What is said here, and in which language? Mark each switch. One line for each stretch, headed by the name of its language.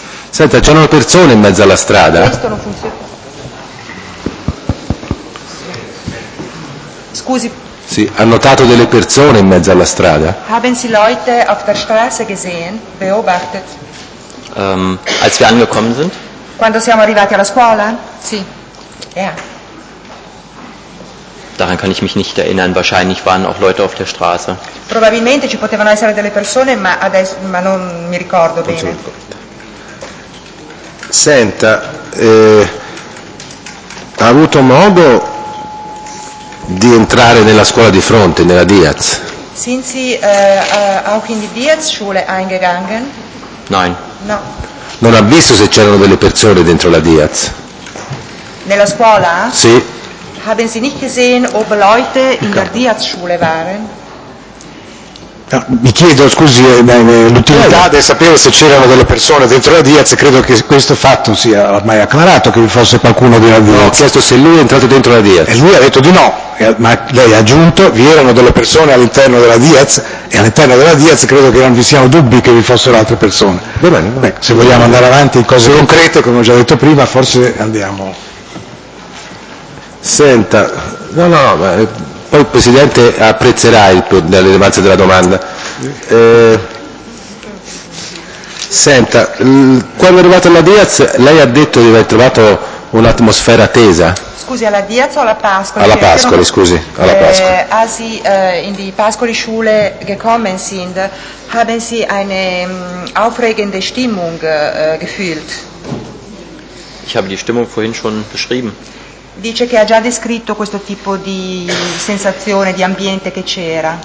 Italian: Senta, c'erano persone in mezzo alla strada? Questo non funziona. Scusi. Sì, ha notato delle persone in mezzo alla strada?
German: Haben Sie Leute auf der Straße gesehen, beobachtet? Als wir angekommen sind?
Italian: Quando siamo arrivati alla scuola? Sì.
German: Ja.
English: Yeah.
German: Daran kann ich mich nicht erinnern, wahrscheinlich waren auch Leute auf der Straße.
Italian: Probabilmente ci potevano essere delle persone, ma adesso ma non mi ricordo bene. Senta, ha avuto modo di entrare nella scuola di fronte, nella Diaz?
German: Sind Sie auch in die Diaz-Schule eingegangen? Nein.
Italian: No. Non ha visto se c'erano delle persone dentro la Diaz? Nella scuola? Sì.
German: Haben Sie nicht gesehen, ob Leute in der Diaz-Schule waren?
Italian: No, mi chiedo, scusi, l'utilità di sapere se c'erano delle persone dentro la Diaz, credo che questo fatto sia ormai acclarato, che vi fosse qualcuno della Diaz. No, ho chiesto se lui è entrato dentro la Diaz. E lui ha detto di no, ma lei ha aggiunto, vi erano delle persone all'interno della Diaz, e all'interno della Diaz credo che non vi siano dubbi che vi fossero altre persone. Bene. Se vogliamo andare avanti in cose concrete, come ho già detto prima, forse andiamo. Senta, no, poi il Presidente apprezzerà l'elevanza della domanda. Senta, quando è arrivato alla Diaz, lei ha detto di aver trovato un'atmosfera tesa? Scusi, alla Diaz o alla Pascoli? Alla Pascoli, scusi, alla Pascoli.
German: Asi in die Pascoli-Schule gekommen sind, haben Sie eine aufregende Stimmung gefühlt? Ich habe die Stimmung vorhin schon beschrieben.
Italian: Dice che ha già descritto questo tipo di sensazione, di ambiente che c'era.